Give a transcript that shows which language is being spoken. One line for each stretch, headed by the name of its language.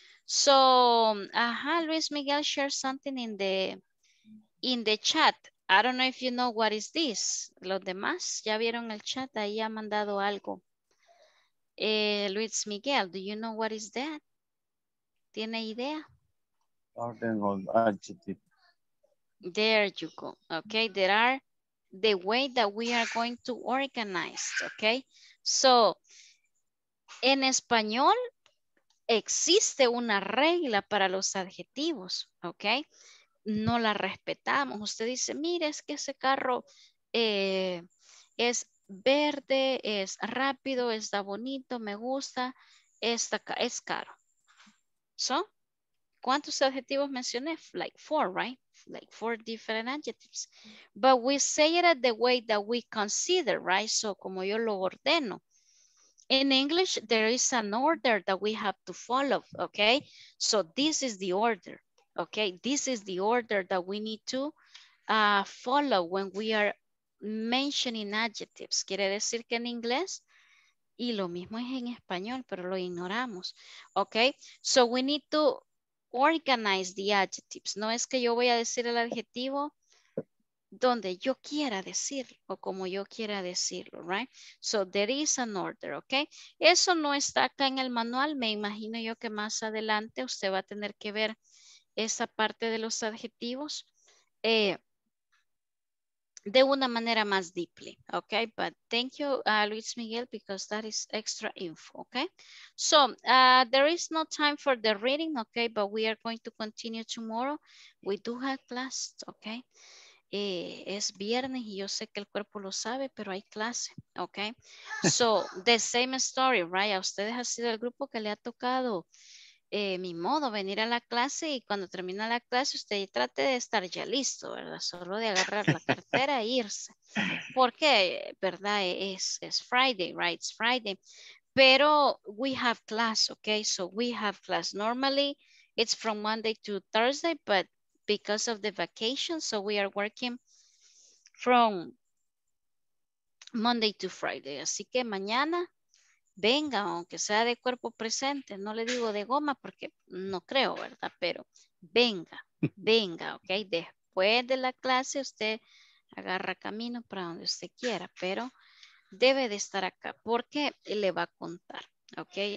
English: So, Luis Miguel shared something in the chat. I don't know if you know what is this.
Spanish: Los demás ya vieron el chat, ahí ha mandado algo.
English: Luis Miguel, do you know what is that?
Spanish: ¿Tiene idea? Orden o adjective.
English: There you go. Okay, there are the way that we are going to organize.
Spanish: Okay, so en español existe una regla para los adjetivos. Okay. No la respetamos. Usted dice, mire, es que ese carro es verde, es rápido, está bonito, me gusta, es caro. So, ¿cuántos adjetivos mencioné?
English: Like four, right? Like four different adjectives. But we say it the way that we consider, right? So,
Spanish: como yo lo ordeno.
English: In English, there is an order that we have to follow, okay? So, this is the order. Okay, this is the order that we need to follow when we are mentioning adjectives.
Spanish: Quiere decir que en inglés, y lo mismo es en español, pero lo ignoramos.
English: Okay, so we need to organize the adjectives.
Spanish: No es que yo voy a decir el adjetivo donde yo quiera decirlo o como yo quiera decirlo, right?
English: So there is an order, okay?
Spanish: Eso no está acá en el manual. Me imagino yo que más adelante usted va a tener que ver esa parte de los adjetivos de una manera más deeply, okay?
English: But thank you, Luis Miguel, because that is extra info, okay? So, there is no time for the reading, okay? But we are going to continue tomorrow. We do have class, okay?
Spanish: Es viernes y yo sé que el cuerpo lo sabe, pero hay clase, okay?
English: So, the same story, right?
Spanish: A ustedes ha sido el grupo que le ha tocado mi modo, venir a la clase y cuando termina la clase usted trate de estar ya listo, ¿verdad? Solo de agarrar la cartera e irse. Porque, ¿verdad?
English: Es Friday, right? It's Friday.
Spanish: Pero
English: we have class, okay? So we have class. Normally it's from Monday to Thursday, but because of the vacation, so we are working from Monday to Friday.
Spanish: Así que mañana venga, aunque sea de cuerpo presente, no le digo de goma porque no creo, ¿verdad? Pero venga, venga, ¿ok? Después de la clase usted agarra camino para donde usted quiera, pero debe de estar acá porque le va a contar, ¿ok?